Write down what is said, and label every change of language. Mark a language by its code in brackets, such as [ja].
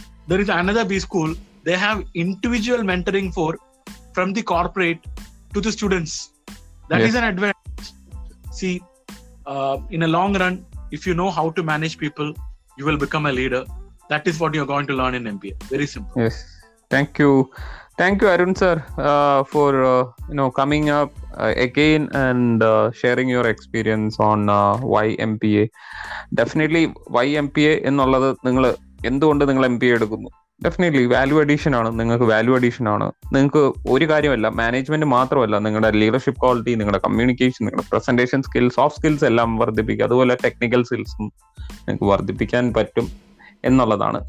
[en] There is another B school, they have individual mentoring for from the corporate to the students. That is an advance. See, in a long run, if you know how to manage people, you will become a leader. That is what you're going to learn in MBA. Very simple. Yes. Thank you. Thank you, Arun sir, for you know, coming up again and sharing your experience on why MBA. Definitely, why MBA [ml] ennallathu ningal endukondu ningal MBA edukkunnu. Definitely value addition ആണ്, നിങ്ങൾക്ക് value addition ആണ്. നിങ്ങൾക്ക് ഒരു കാര്യമല്ല, management മാത്രമല്ല, നിങ്ങളുടെ leadership quality, നിങ്ങളുടെ communication, നിങ്ങളുടെ പ്രസന്റേഷൻ സ്കിൽസ്, സോഫ്റ്റ് സ്കിൽസ് എല്ലാം വർദ്ധിപ്പിക്കുക. അതുപോലെ ടെക്നിക്കൽ സ്കിൽസും നിങ്ങൾക്ക് വർദ്ധിപ്പിക്കാൻ പറ്റും എന്നുള്ളതാണ്.